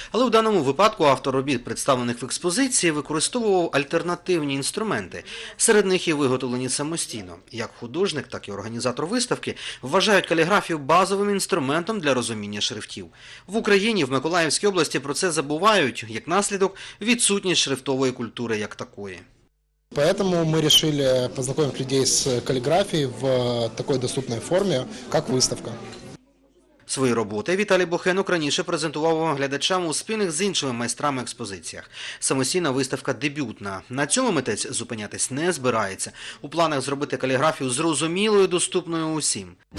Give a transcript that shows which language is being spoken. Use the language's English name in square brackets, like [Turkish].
[Ukrainian] Але у даному випадку автор робіт, представлених в експозиції, використовував альтернативні інструменти. Серед них і виготовлені самостійно. Як художник, так і організатор виставки вважають каліграфію базовим інструментом для розуміння шрифтів. В Україні, в Миколаївській області про це забувають, як наслідок – відсутність шрифтової культури як такої. [Russian] Поэтому мы решили познакомить людей с каллиграфией в такой доступной форме, как выставка. [Ukrainian] Свої роботи Віталій Бухенок раніше презентував глядачам у спільних з іншими майстрами експозиціях. Самостійна виставка дебютна. На цьому митець зупинятись не збирається. У планах зробити каліграфію зрозумілою, доступною усім.